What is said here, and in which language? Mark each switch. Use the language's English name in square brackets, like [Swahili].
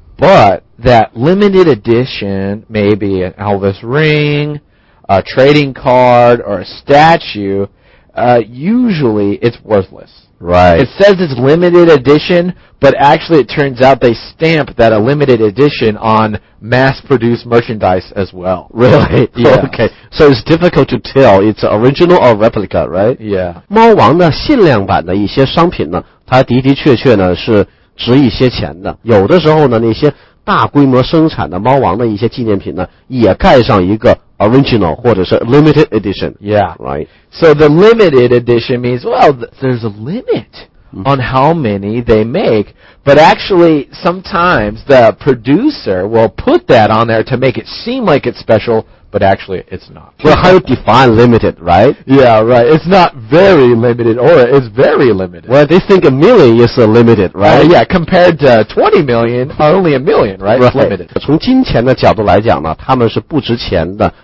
[English] But that limited edition, maybe an Elvis ring, a trading card, or a statue, usually it's worthless. Right. It says it's limited edition, but actually it turns out they stamp that a limited edition on mass-produced merchandise as well. Really? Yeah. Okay. So it's difficult to tell. It's original or replica, right? Yeah. [Chinese] 猫王的限量版的一些商品呢，它的的确确呢是值一些钱的。有的时候呢，那些大规模生产的猫王的一些纪念品呢，也盖上一个Original, 或者是 limited edition. [English] Yeah. Right. So the limited edition means, well, there's a limit on how many they make, but actually sometimes the producer will put that on there to make it seem like it's special, but actually it's not. Well, how do you define limited, right? Yeah, right. It's not very limited, or it's very limited. Well, they think a million is a limited, right? Yeah, compared to 20 million, only a million, right? Right. It's limited. [Chinese] 从金钱的角度来讲呢，他们是不值钱的。